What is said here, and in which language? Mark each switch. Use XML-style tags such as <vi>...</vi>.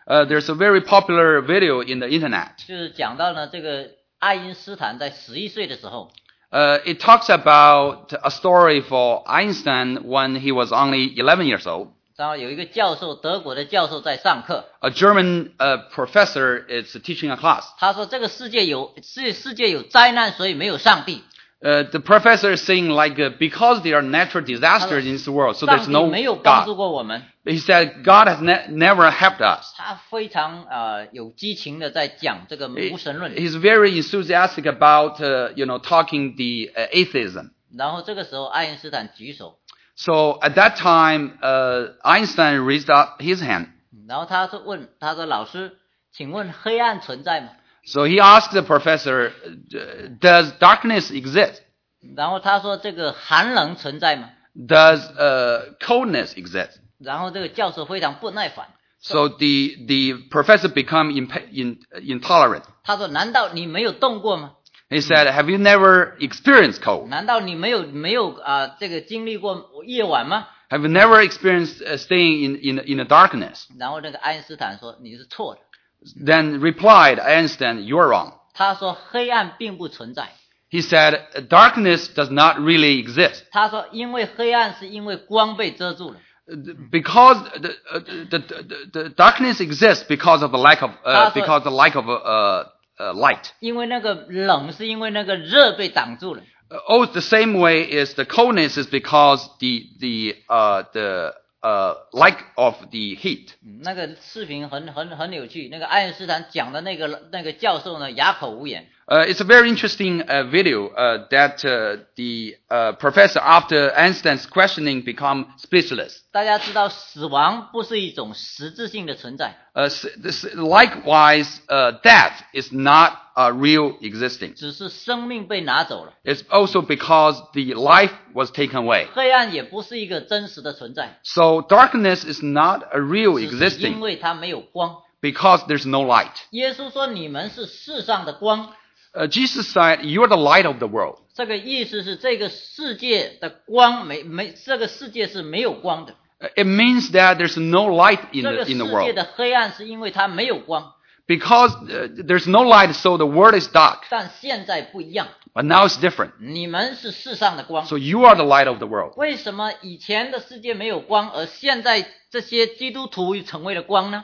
<en>There's a very popular video in the internet.</en> <zh>就是讲到呢这个爱因斯坦在11岁的时候。</zh> <en>It talks about a story for Einstein when he was only 11 years old.</en> <zh>然后有一个教授，德国的教授在上课。</zh> <en>A German professor is teaching a class.</en> <zh>他说这个世界有灾难，所以没有上帝。</zh> <en>The professor is saying like because there are natural disasters in this world, so there's no God.</en> <zh>上帝没有帮助过我们。</zh> <en>He said God has never helped us.</en> <zh>他非常有激情的在讲这个无神论。</zh> <en>He's very enthusiastic about talking the atheism.</en> <zh>然后这个时候，爱因斯坦举手。</zh> <en>So at that time, Einstein raised up his hand.</en> <zh>然后他就问，他说老师，请问黑暗存在吗？</zh> <en>So he asked the professor, does darkness exist?</en> <zh>然后他说这个寒冷存在吗？</zh> <en>Does coldness exist?</en> <zh>然后这个教授非常不耐烦。</zh> <en>So the professor became intolerant.</en> <zh>他说难道你没有动过吗？</zh> <en>He said, have you never experienced cold?</en> <zh>难道你没有这个经历过夜晚吗？</zh> <en>Have you never experienced staying in the darkness?</en> <zh>然后那个爱因斯坦说你是错的。</zh> <en>Then replied Einstein, you are wrong.</en> <zh>他说黑暗并不存在。</zh> <en>He said, darkness does not really exist.</en> <zh>他说因为黑暗是因为光被遮住了。</zh> <en>Because the darkness exists because of the lack of, light.</en> <zh>因为那个冷是因为那个热被挡住了。</zh> <en>Oh, the same way is the coldness is because the lack of the heat.</en> <zh>那个视频很有趣，那个爱因斯坦讲的那个教授呢，哑口无言。</zh> <en>It's a very interesting video that the professor after Einstein's questioning become speechless.</en> <zh>大家知道死亡不是一种实质性的存在。</zh> <en>Likewise, death is not a real existing.</en> <zh>只是生命被拿走了。</zh> <en>It's also because the life was taken away.</en> <zh>黑暗也不是一个真实的存在。</zh> <en>So darkness is not a real existing.</en> <zh>只是因为它没有光。</zh> <en>Because there's no light.</en> <zh>耶稣说你们是世上的光。</zh> <en>Jesus said, you are the light of the world.</en> <zh>这个意思是这个世界的光这个世界是没有光的。</zh> <en>It means that there's no light in the world.</en> <zh>这个世界的黑暗是因为它没有光。</zh> <en>Because there's no light, so the world is dark.</en> <zh>但现在不一样。</zh> <en>But now it's different.</en> <zh>你们是世上的光。</zh> <en>So you are the light of the world.</en> <zh>为什么以前的世界没有光，而现在这些基督徒又成为了光呢？</zh>